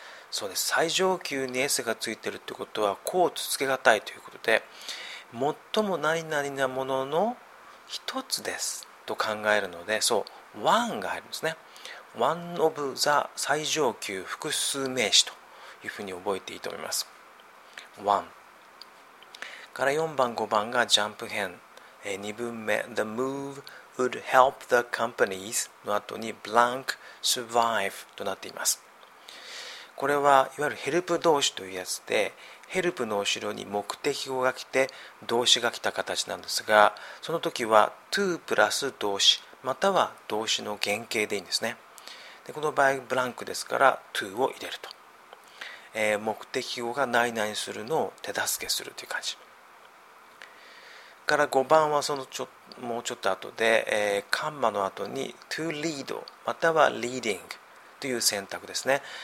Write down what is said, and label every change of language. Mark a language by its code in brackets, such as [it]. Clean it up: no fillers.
[ja] そうです、最上級に S がついているってことはこうつつけがたいということで、最も何々なものの一つですと考えるので、そう One が入るんですね。 [en] One of the [ja] 最上級複数名詞というふうに覚えていいと思います。 One から4番5番がジャンプ編。 2文目 [en] The move would help the companies [ja] の後に blank survive となっています。これはいわゆるヘルプ動詞というやつで、ヘルプの後ろに目的語が来て動詞が来た形なんですが、その時は to プラス動詞または動詞の原型でいいんですね。でこの場合ブランクですから to を入れると、目的語が何々するのを手助けするという感じから、5番はそのもうちょっと後で、カンマの後に to lead または leading という選択ですね。